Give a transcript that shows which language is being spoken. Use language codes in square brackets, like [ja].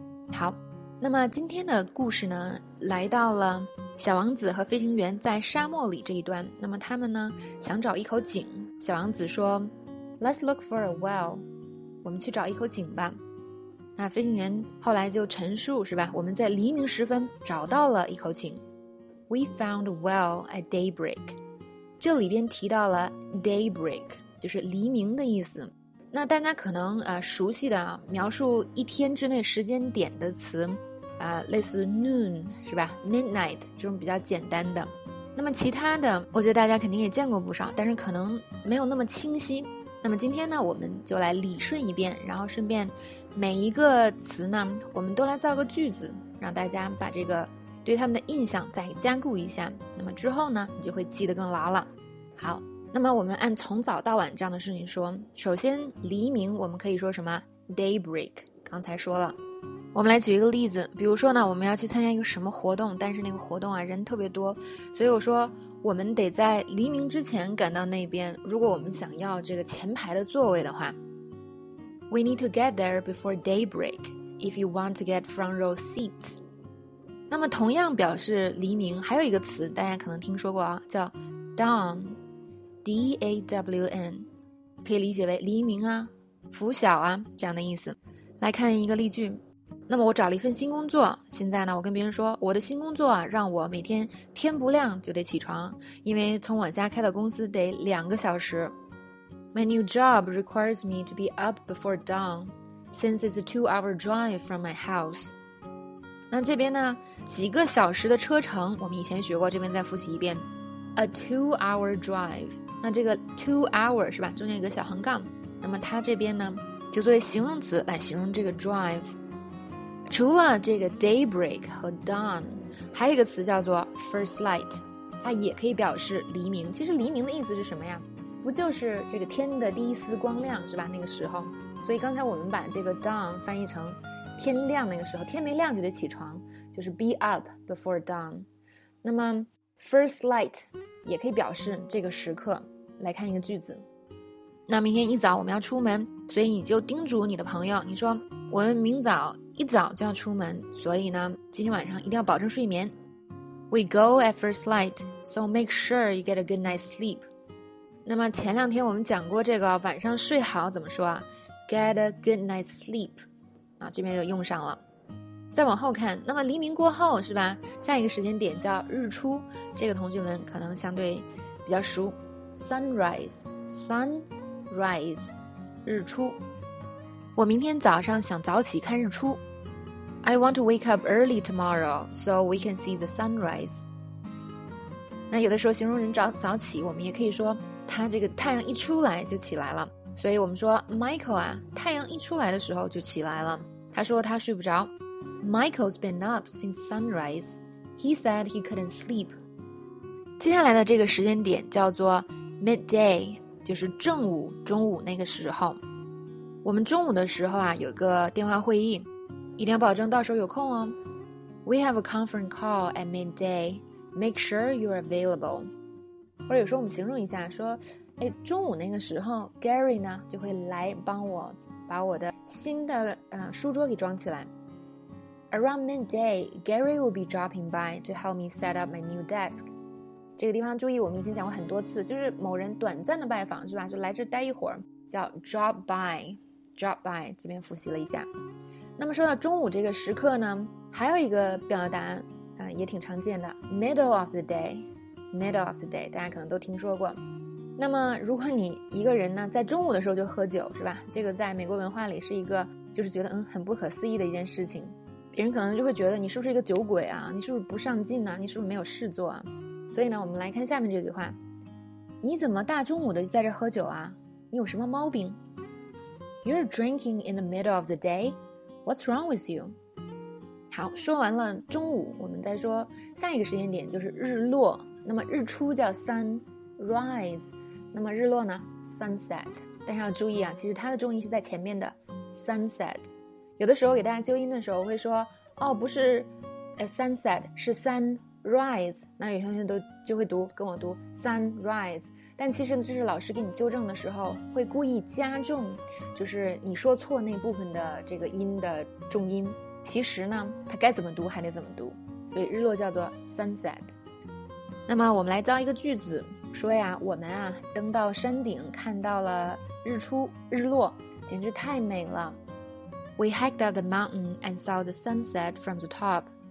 [zh] 好，那么今天的故事呢，来到了小王子和飞行员在沙漠里这一段。那么他们呢，想找一口井。小王子说 [en] Let's look for a well， [zh] 我们去找一口井吧。那飞行员后来就陈述，是吧，我们在黎明时分找到了一口井。 [en] We found a well at daybreak， [zh] 这里边提到了 daybreak， 就是黎明的意思。那大家可能熟悉的描述一天之内时间点的词类似 noon 是吧， midnight 这种比较简单的。那么其他的我觉得大家肯定也见过不少，但是可能没有那么清晰。那么今天呢，我们就来理顺一遍，然后顺便每一个词呢，我们都来造个句子，让大家把这个对他们的印象再加固一下，那么之后呢，你就会记得更牢了。好，那么我们按从早到晚这样的顺序说。首先黎明我们可以说什么？ daybreak， 刚才说了。我们来举一个例子，比如说呢，我们要去参加一个什么活动，但是那个活动啊人特别多，所以我说我们得在黎明之前赶到那边，如果我们想要这个前排的座位的话。 [en] We need to get there before daybreak if you want to get front row seats。 [zh] 那么同样表示黎明还有一个词大家可能听说过啊，叫 dawn， D-A-W-N， 可以理解为黎明啊，拂晓啊，这样的意思。来看一个例句。那么我找了一份新工作，现在呢，我跟别人说我的新工作啊，让我每天天不亮就得起床，因为从我家开到公司得2个小时。 [en] My new job requires me to be up before dawn since it's a 2-hour drive from my house。 [zh] 那这边呢，几个小时的车程我们以前学过，这边再复习一遍， [en] a 2-hour drive。 [zh] 那这个 2-hour 是吧，中间有个小横杠，那么它这边呢就作为形容词来形容这个 drive。除了这个 daybreak 和 dawn， 还有一个词叫做 first light， 它也可以表示黎明。其实黎明的意思是什么呀？不就是这个天的第一丝光亮是吧，那个时候。所以刚才我们把这个 dawn 翻译成天亮那个时候，天没亮就得起床，就是 [en] be up before dawn。 [zh] 那么 first light 也可以表示这个时刻。来看一个句子。那明天一早我们要出门，所以你就叮嘱你的朋友，你说我们明早一早就要出门，所以呢今天晚上一定要保证睡眠。 [en] We go at first light, so make sure you get a good night's sleep。 [zh] 那么前两天我们讲过这个晚上睡好怎么说啊， [en] get a good night's sleep， [zh] 啊，这边就用上了。再往后看，那么黎明过后是吧，下一个时间点叫日出，这个同学们可能相对比较熟， sunrise， sunrise， 日出。我明天早上想早起看日出。 [en] I want to wake up early tomorrow so we can see the sunrise。 [zh] 那有的时候形容人 早起，我们也可以说他这个太阳一出来就起来了，所以我们说 Michael 啊，太阳一出来的时候就起来了，他说他睡不着。 [en] Michael's been up since sunrise, he said he couldn't sleep。 [zh] 接下来的这个时间点叫做 midday， 就是正午，中午那个时候。我们中午的时候啊有个电话会议，一定要保证到时候有空哦。 [en] We have a conference call at midday, make sure you're available。 [zh] 或者有时候我们形容一下说，哎，中午那个时候 Gary 呢就会来帮我把我的新的书桌给装起来。 [en] Around midday, Gary will be dropping by to help me set up my new desk。 [zh] 这个地方注意我们以前讲过很多次，就是某人短暂的拜访是吧，就来这待一会儿，叫 drop by， drop by， 这边复习了一下。那么说到中午这个时刻呢，还有一个表达也挺常见的， [en] middle of the day， [zh] middle of the day， 大家可能都听说过。那么如果你一个人呢在中午的时候就喝酒是吧，这个在美国文化里是一个就是觉得很不可思议的一件事情，别人可能就会觉得你是不是一个酒鬼啊，你是不是不上进啊，你是不是没有事做啊。所以呢我们来看下面这句话，你怎么大中午的就在这喝酒啊，你有什么毛病？ [en] You're drinking in the middle of the day? What's wrong with you? [zh] 好，说完了中午，我们再说下一个时间点，就是日落那么日出叫 sunrise， 那么日落呢 sunset。但是要注意啊，其实它的重音是在前面的 sunset。有的时候给大家纠音的时候会说，哦，不是 sunset， 是 sunrise， 那有些同学都就会读跟我读 sunrise。但其实呢，这是老师给你纠正的时候会故意加重，就是你说错那部分的这个音的重音，其实呢它该怎么读还得怎么读，所以日落叫做 sunset。那么我们来造一个句子，说呀，我们啊登到山顶看到了日出日落，简直太美了。 [en] We hiked up the mountain and saw the sunset from the top.